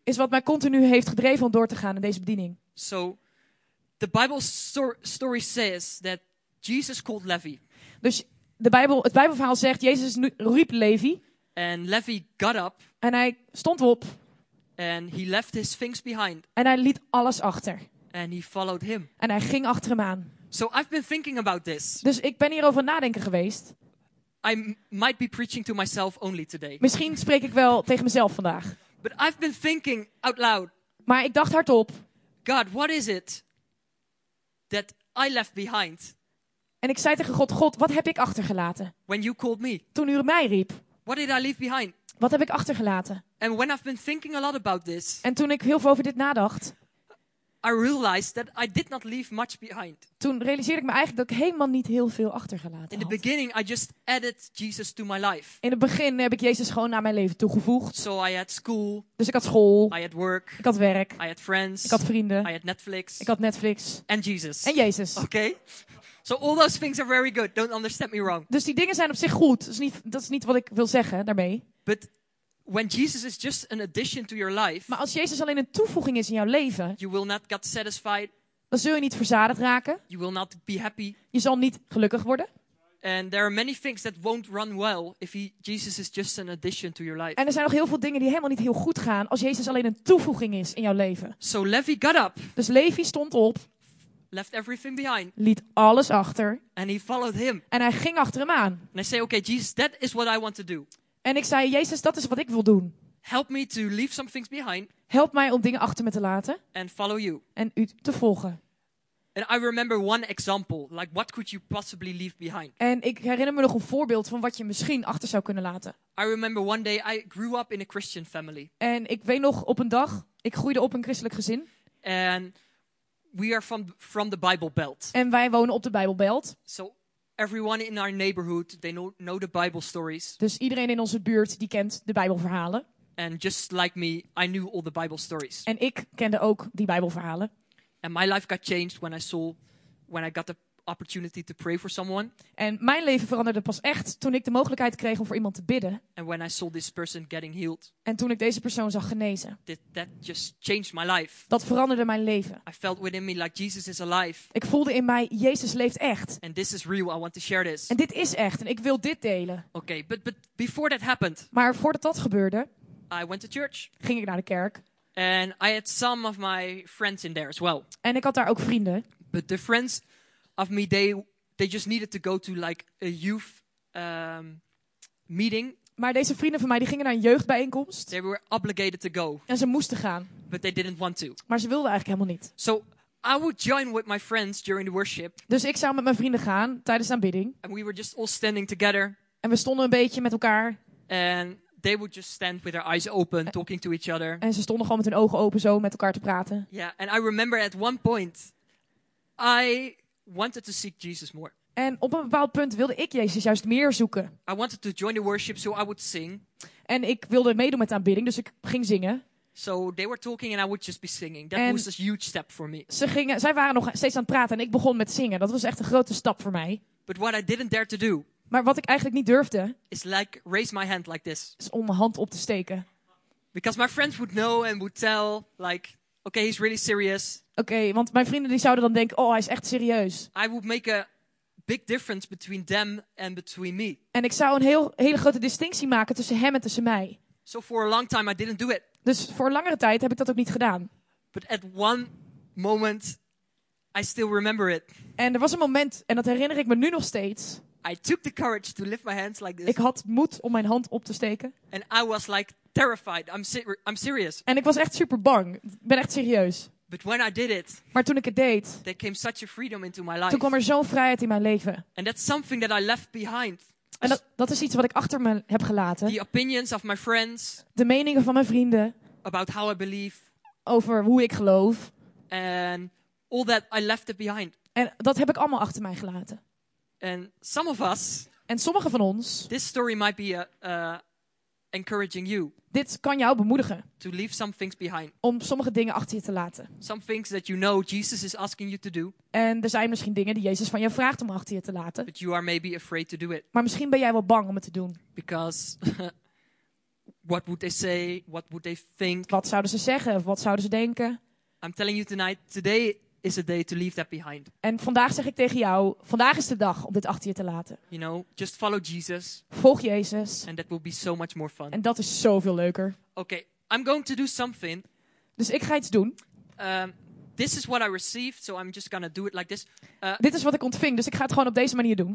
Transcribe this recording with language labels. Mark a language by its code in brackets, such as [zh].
[nl] is wat mij continu heeft gedreven om door te gaan in deze bediening. [en] So, the Bible story says that Jesus called Levi. [nl] Dus de Bijbel, het Bijbelverhaal zegt, Jezus riep Levi. [en] And Levi got up. [nl] En hij stond op. [en] And he left his things behind. [nl] En hij liet alles achter. [en] And he followed him. [nl] En hij ging achter hem aan. [en] So I've been thinking about this. [nl] Dus ik ben hierover nadenken geweest. [en] I might be preaching to myself only today. [nl] Misschien spreek ik wel tegen mezelf vandaag. [en] But I've been thinking out loud. [nl] Maar ik dacht hardop. [en] God, what is it that I left behind? [nl] En ik zei tegen God, God, wat heb ik achtergelaten? [en] When you called me. [nl] Toen u mij riep. [en] What did I leave behind? [nl] Wat heb ik achtergelaten? [en] And when I've been thinking a lot about this. [nl] En toen ik heel veel over dit nadacht. [en] I realized that I did not leave much behind. [nl] Toen realiseerde ik me eigenlijk dat ik helemaal niet heel veel achtergelaten had. [en] In the beginning I just added Jesus to my life. [nl] In het begin heb ik Jezus gewoon naar mijn leven toegevoegd. [en] So I had school. [nl] Dus ik had school. [en] I had work. [nl] Ik had werk. [en] I had friends. [nl] Ik had vrienden. [en] I had Netflix. [nl] Ik had Netflix. [en] And Jesus. [nl] En Jezus. [en] Okay. So all those things are very good. Don't understand me wrong. [nl] Dus die dingen zijn op zich goed. Dat is niet wat ik wil zeggen daarmee. [en] But when Jesus is just an addition to your life, [nl] maar als Jezus alleen een toevoeging is in jouw leven, [en] you will not get satisfied, [nl] dan zul je niet verzadigd raken. [en] You will not be happy, [nl] je zal niet gelukkig worden. [en] And there are many things that won't run well if Jesus is just an addition to your life. [nl] En er zijn nog heel veel dingen die helemaal niet heel goed gaan als Jezus alleen een toevoeging is in jouw leven. [en] So Levi got up. [nl] Dus Levi stond op. [en] Left everything behind. [nl] Liet alles achter. [en] And he followed him. [nl] En hij ging achter hem aan. [en] And I say, okay, Jesus, that is what I want to do. [nl] En ik zei, Jezus, dat is wat ik wil doen. [en] Help me to leave some things behind. [nl] Help mij om dingen achter me te laten. [en] And follow you. [nl] En u te volgen. [en] And I remember one example, like what could you possibly leave behind? [nl] En ik herinner me nog een voorbeeld van wat je misschien achter zou kunnen laten. [en] I remember one day I grew up in a Christian family. [nl] En ik weet nog op een dag, ik groeide op een christelijk gezin. [en] And we are from the Bible Belt. [nl] En wij wonen op de Bijbelbelt. [en] So everyone in our neighborhood, they know the Bible stories. [nl] Dus iedereen in onze buurt die kent de Bijbelverhalen. [en] And just like me, I knew all the Bible stories. [nl] En ik kende ook die Bijbelverhalen. [en] And my life got changed when I got the opportunity to pray for someone. [nl] En mijn leven veranderde pas echt toen ik de mogelijkheid kreeg om voor iemand te bidden. [en] And when I saw this person getting healed. [nl] En toen ik deze persoon zag genezen. [en] That just changed my life. [nl] Dat veranderde mijn leven. [en] I felt within me like Jesus is alive. [nl] Ik voelde in mij, Jezus leeft echt. [en] And this is real, I want to share this. [nl] En dit is echt en ik wil dit delen. [en] Okay, but before that happened. [nl] Maar voordat dat gebeurde. [en] I went to church. [nl] Ging ik naar de kerk. [en] And I had some of my friends in there as well. [nl] En ik had daar ook vrienden. [en] But the friends of me, they just needed to go to like a youth meeting. [nl] Maar deze vrienden van mij, die gingen naar een jeugdbijeenkomst. [en] They were obligated to go. [nl] En ze moesten gaan. [en] But they didn't want to. [nl] Maar ze wilden eigenlijk helemaal niet. [en] So I would join with my friends during the worship. [nl] Dus ik zou met mijn vrienden gaan tijdens de aanbidding. [en] And we were just all standing together. [nl] En we stonden een beetje met elkaar. [en] And they would just stand with their eyes open, talking to each other. [nl] En ze stonden gewoon met hun ogen open zo met elkaar te praten. [en] Yeah, and I remember at one point, I wanted to seek Jesus more. [nl] En op een bepaald punt wilde ik Jezus juist meer zoeken. [en] I wanted to join the worship, so I would sing. [nl] En ik wilde meedoen met de aanbidding, dus ik ging zingen. [en] So they were talking and I would just be singing. That was a huge step for me. [nl] Zij waren nog steeds aan het praten en ik begon met zingen. Dat was echt een grote stap voor mij. [en] But what I didn't dare to do. [nl] Maar wat ik eigenlijk niet durfde. [en] Is like raise my hand like this. [nl] Is om mijn hand op te steken. [en] Because my friends would know and would tell like. Okay, he's really serious. [nl] Okay, want mijn vrienden die zouden dan denken, oh, hij is echt serieus. [en] I would make a big difference between them and between me. [nl] En ik zou een hele grote distinctie maken tussen hem en tussen mij. [en] So for a long time I didn't do it. [nl] Dus voor een langere tijd heb ik dat ook niet gedaan. [en] But at one moment I still remember it. [nl] En er was een moment en dat herinner ik me nu nog steeds. [en] I took the courage to lift my hands like this. [nl] Ik had moed om mijn hand op te steken. [en] And I was like terrified. I'm serious. [nl] En ik was echt super bang. Ik ben echt serieus. [en] But when I did it, [nl] maar toen ik het deed, [en] there came such a freedom into my life. [nl] Toen kwam er zo'n vrijheid in mijn leven. [en] And that's something that I left behind. [nl] En dat is iets wat ik achter me heb gelaten. [en] The opinions of my friends. [nl] De meningen van mijn vrienden. [en] About how I believe. [nl] Over hoe ik geloof. [en] And all that I left it behind. [nl] En dat heb ik allemaal achter mij gelaten. [en] And some of us. [nl] En sommige van ons. [en] This story might be encouraging you. [nl] Dit kan jou bemoedigen. [en] To leave some things behind. [nl] Om sommige dingen achter je te laten. [en] Some things that you know Jesus is asking you to do. [nl] En er zijn misschien dingen die Jezus van je vraagt om achter je te laten. [en] But you are maybe afraid to do it. [nl] Maar misschien ben jij wel bang om het te doen. [en] Because what would they say? What would they think? [nl] Wat zouden ze zeggen? Of wat zouden ze denken? [en] I'm telling you tonight, today is a day to leave that behind. [nl] En vandaag zeg ik tegen jou, vandaag is de dag om dit achter je te laten. [en] You know, just follow Jesus. [nl] Volg Jezus. [en] And that will be so much more fun. [nl] En dat is zoveel leuker. [en] Okay, I'm going to do something. [nl] Dus ik ga iets doen. [en] This is what I received, so I'm just gonna do it like this. [nl] Dit is wat ik ontving, dus ik ga het gewoon op deze manier doen.